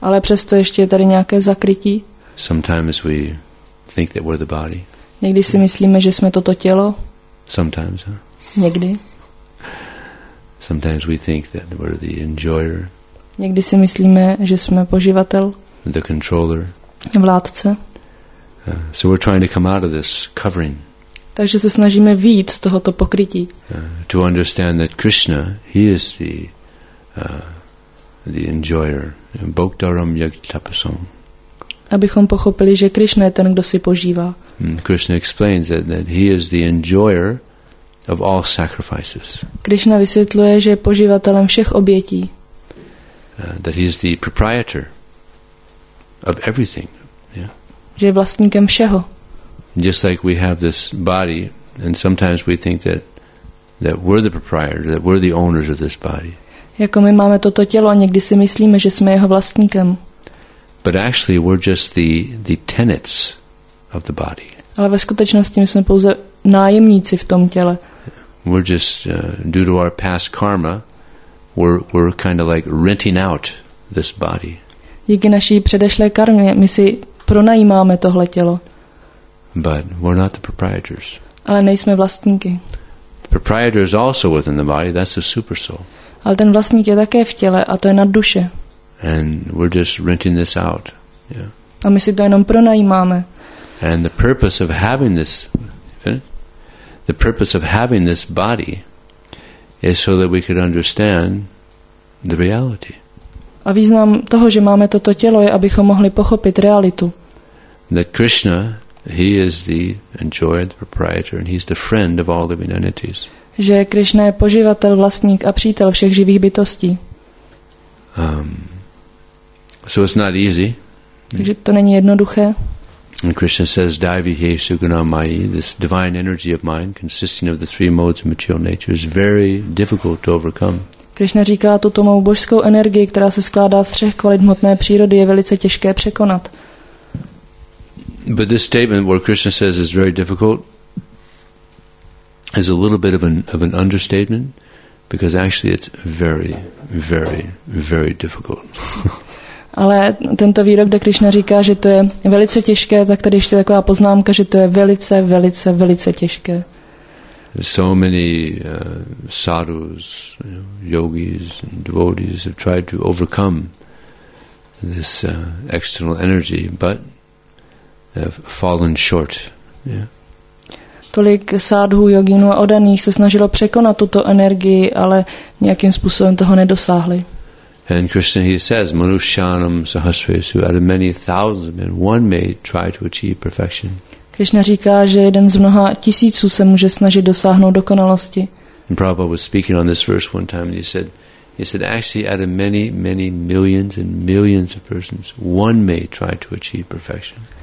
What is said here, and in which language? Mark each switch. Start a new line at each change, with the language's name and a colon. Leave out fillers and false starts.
Czech: Ale přesto ještě je tady nějaké zakrytí.
English: Sometimes we think that we're the body.
Czech: Někdy si myslíme, že jsme toto tělo.
English: Sometimes. Huh?
Czech: Někdy.
English: Sometimes we think that we're the enjoyer.
Czech: Někdy si myslíme, že jsme poživatel.
English: The controller.
Czech: vládce.
English: So we're trying to come out of this covering.
Czech: Takže se snažíme vyjít z tohoto pokrytí.
English: To understand that Krishna, he is the enjoyer.
Sanskrit: Bhoktaram yak tapasam.
Czech: Abychom pochopili, že Krishna je ten, kdo si požívá.
English: Krishna explains that he is the enjoyer of all sacrifices.
Czech: Krishna vysvětluje, že je poživatelem všech obětí.
English: That he is the proprietor of everything. Yeah.
Czech: Že je vlastníkem všeho.
English: Just like we have this body, and sometimes we think that we're the proprietor, that we're the owners of this body.
Czech: Jako my máme toto tělo a někdy si myslíme, že jsme jeho vlastníkem.
English: But actually we're just the tenants of the body.
Czech: Ale ve skutečnosti my jsme pouze nájemníci v tom těle.
English: We're just due to our past karma, we're kind of like renting out this body.
Czech: Díky naší předešlé karmě my si pronajímáme tohle tělo.
English: But we're not the proprietors.
Czech: Ale nejsme vlastníky.
English: The proprietor is also within the body, that's the super soul.
Czech: Ale ten vlastník je také v těle a to je nad duše.
English: And we're just renting this out. Yeah.
Czech: A my si to jenom pronajímáme.
English: And the purpose of having this, the purpose of having this body is so that we could understand the reality.
Czech: A význam toho, že máme toto tělo, je abychom mohli pochopit realitu.
English: That Krishna, he is the enjoyer, the proprietor, and he's the friend of all living entities.
Czech: Že Krishna je poživatel, vlastník a přítel všech živých bytostí.
English: So it's not easy.
Czech: Takže to není jednoduché.
English: And Krishna says,
Sanskrit: "Daivihe sugunamayi."
English: This divine energy of mine, consisting of the three modes of material nature, is very difficult to overcome.
Czech: Krishna říká, tuto mou božskou energii, která se skládá z třech kvalit hmotné přírody, je velice těžké překonat.
English: But this statement, what Krishna says, is very difficult, is a little bit of an understatement, because actually it's very, very, very difficult.
Czech: Ale tento výrok, kde Krishna říká, že to je velice těžké, tak tady ještě taková poznámka, že to je velice, velice, velice těžké.
English: So many sadhus, yogis, and devotees have tried to overcome this external energy, but have fallen short. Yeah.
Czech: Tolik sadhu, yoginů a odaných se snažilo překonat tuto energii, ale nějakým způsobem toho nedosáhli.
English: And Krishna, he says,
Sanskrit: manushyanam sahasresu,
English: out of many thousands of men, one may try to achieve perfection.
Czech: Krishna říká, že jeden z mnoha tisíců se může snažit dosáhnout dokonalosti.
English: And Prabhupada was speaking on this verse one time, and he said, actually, out of many, many millions and millions of persons, one may try to achieve perfection.